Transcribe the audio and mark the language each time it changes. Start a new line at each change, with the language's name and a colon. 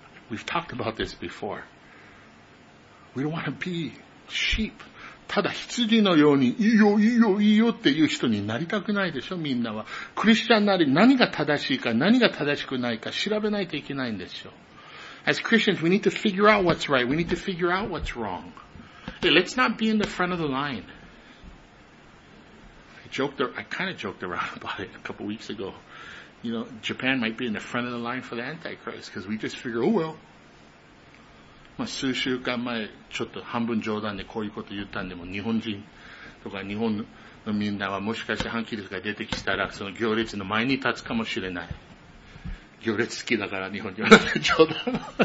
English: We've talked about this before. We don't want to be sheep.
Japanese: ただ羊のように、いいよ、いいよ、いいよっていう人になりたくないでしょ、みんなは。クリスチャンなり何が正しいか、何が正しくないか調べないといけないんでしょ。
English: As Christians, we need to figure out what's right. We need to figure out what's wrong. Hey, let's not be in the front of the line. I kind of joked around about it a couple weeks ago. You know, Japan might be in the front of the line for the Antichrist because we just figure, oh well.
Japanese: まあ、数週間前、ちょっと半分冗談でこういうこと言ったんでも、日本人とか日本のみんなはもしかして反キリストが出てきたら、その行列の前に立つかもしれない。行列好きだから日本人は冗談。